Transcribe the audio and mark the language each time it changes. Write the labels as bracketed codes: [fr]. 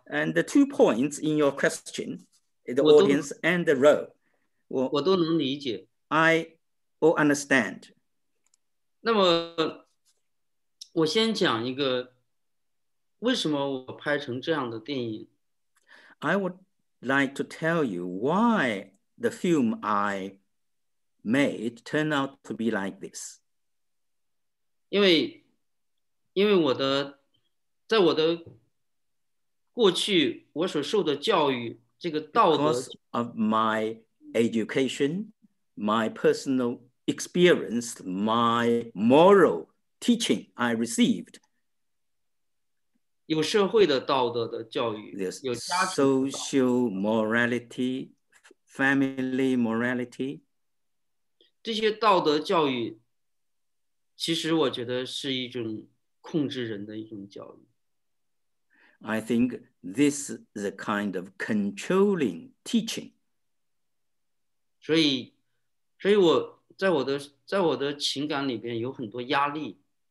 [en] and the two points in your question, the audience and the role, [zh] 我都能理解, [en] I all understand. [zh] 那么我先讲一个, 为什么我拍成这样的电影? [en] I would like to tell you why the film I made turned out to be like this. [zh] 因为我的 在我的过去, 我所受的教育, 这个道德, [en] because of my education, my personal experience, my moral teaching I received, [zh] 有社会的道德的教育, [en] there's social morality, family morality, [zh] 这些道德教育, 其实我觉得是一种控制人的一种教育。 [en] I think this is a kind of controlling teaching. [zh] 所以我在我的情感里边有很多压力。